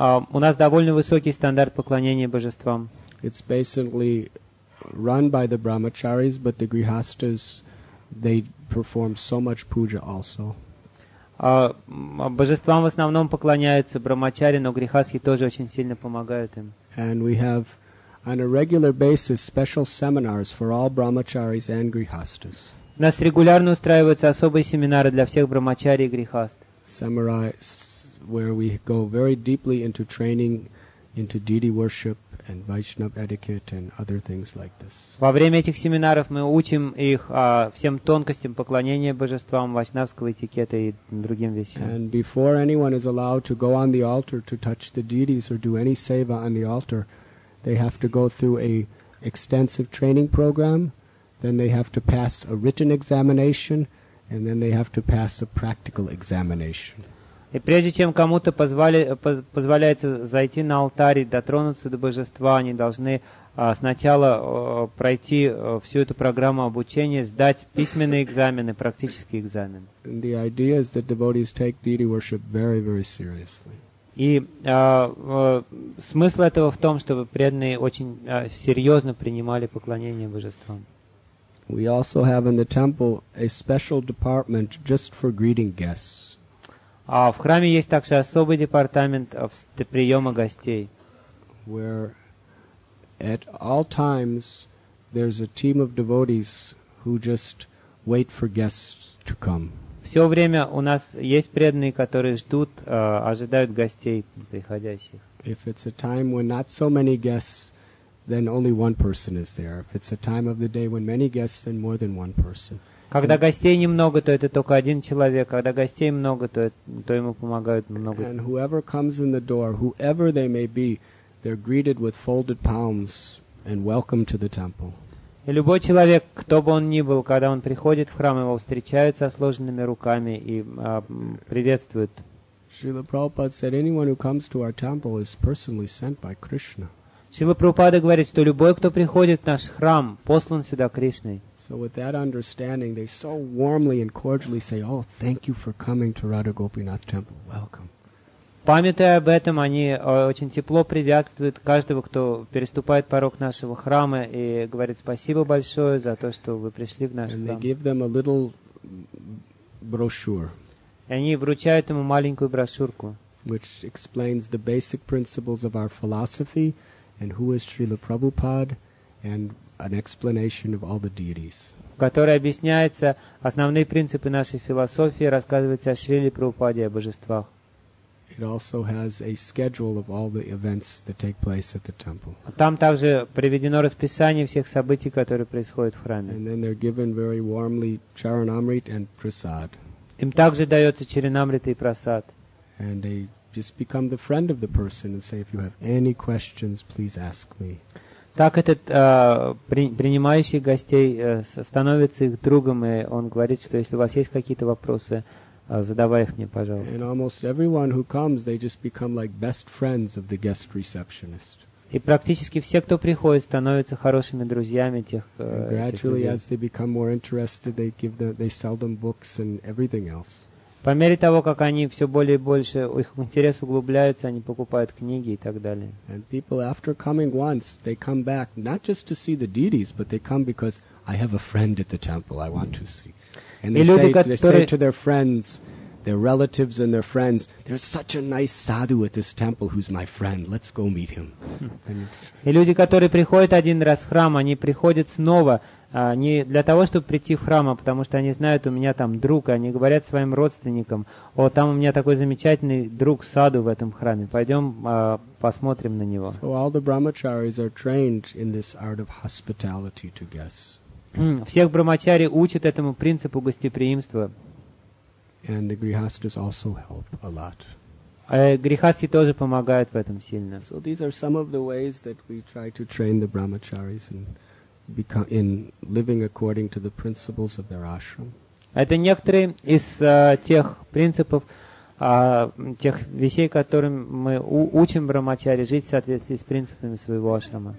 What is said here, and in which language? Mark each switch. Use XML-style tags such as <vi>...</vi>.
<ru>У нас довольно высокий стандарт поклонения божествам.</ru> <en>It's basically run by the brahmacharis, but the grihastas, they perform so much puja also.</en> <ru>Божествам в основном поклоняются брахмачари, но грихасхи тоже очень сильно помогают им.</ru> <en>And we have on a regular basis special seminars for all brahmacharis and grihastas.</en> <ru>У нас регулярно устраиваются особые семинары для всех брахмачари и грихаст.</ru> <en>Seminars where we go very deeply into training into deity worship and Vaishnava etiquette and other things like this.</en> <ru>Во время этих семинаров мы учим их всем тонкостям поклонения божествам, вайшнавского этикета и другим вещам.</ru> <en>And before anyone is allowed to go on the altar to touch the deities or do any seva on the altar, they have to go through a extensive training program, then they have to pass a written examination, and then they have to pass a practical examination.</en> <ru>И прежде чем кому-то позволяется зайти на алтарь и дотронуться до божества, они должны сначала пройти всю эту программу обучения, сдать письменные экзамены, практические экзамены.</ru> <en>The idea is that devotees take deity worship very, very seriously.</en> <ru>И смысл этого в том, чтобы преданные очень серьезно принимали поклонение божествам.</ru> <en>We also have in the temple a special department just for greeting guests.</en> <ru>А в храме есть также особый департамент приема гостей.</ru> <en>Where at all times there's a team of devotees who just wait for guests to come.</en> <ru>Все время у нас есть преданные, которые ждут, ожидают гостей приходящих.</ru> <en>If it's a time when not so many guests, then only one person is there. If it's a time of the day when many guests, then more than one person.</en> <ru>Когда гостей немного, то это только один человек. Когда гостей много, то ему помогают много.</ru> <en>And whoever comes in the door, whoever they may be, they're greeted with folded palms and welcome to the temple.</en> <ru>И любой человек, кто бы он ни был, когда он приходит в храм, его встречают со сложенными руками и приветствуют.</ru> <en>Srila Prabhupada said, anyone who comes to our temple is personally sent by Krishna.</en> <ru>Srila Prabhupada говорит, что любой, кто приходит в наш храм, послан сюда Кришной.</ru> <en>So with that understanding, they so warmly and cordially say, "Oh, thank you for coming to Radha Gopinath Temple. Welcome."</en> <ru>Памятуя об этом, они очень тепло приветствуют каждого, кто переступает порог нашего храма, и говорит спасибо большое за то, что вы пришли в наш храм.</ru> <en>And they give them a little brochure.</en> <ru>И они вручают ему маленькую брошюрку,</ru> <en>which explains the basic principles of our philosophy, and who is Srila Prabhupada, and an explanation of all the deities.</en> <ru>В которой объясняются основные принципы нашей философии, рассказывается о Шриле Прабхупаде, о божествах.</ru> <en>It also has a schedule of all the events that take place at the temple.</en> <ru>Там также приведено расписание всех событий, которые происходят в храме.</ru> <en>And then they're given very warmly charanamrit and prasad.</en> <ru>Им также дается чаранамрита и прасад.</ru> <en>And they just become the friend of the person and say, if you have any questions, please ask me.</en> <ru>Так этот принимающий гостей становится их другом, и он говорит, что если у вас есть какие-то вопросы, задавай их мне, пожалуйста.</ru> <en>And almost everyone who comes, they just become like best friends of the guest receptionist.</en> <ru>И практически все, кто приходит, становятся хорошими друзьями тех людей.</ru> <en>Gradually, as they become more interested, they sell them books and everything else.</en> <ru>По мере того, как они все более и больше, их интерес углубляется, они покупают книги и так далее.</ru> <en>And people, after coming once, they come back, not just to see the deities, but they come because I have a friend at the temple I want to see. And they say to their friends, their relatives and their friends, there's such a nice sadhu at this temple who's my friend, let's go meet him.</en> <ru>И люди, которые приходят один раз в храм, они приходят снова, не для того, чтобы прийти в храм, а потому что они знают, у меня там друг, и они говорят своим родственникам: «О, там у меня такой замечательный друг саду в этом храме, пойдем посмотрим на него».</ru> <en>So all the brahmacharis are trained in this art of hospitality to guests.</en> <ru>Всех брахмачари учат этому принципу гостеприимства.</ru> <en>And the grihasthas also help a lot.</en> <ru>Грихасхи тоже помогают в этом сильно.</ru> <en>So these are some of the ways that we try to train the brahmacharis in living according to the principles of their ashram.</en> <ru>Это некоторые из тех принципов, тех вещей, которым мы учим брахмачари жить в соответствии с принципами своего ашрама.</ru>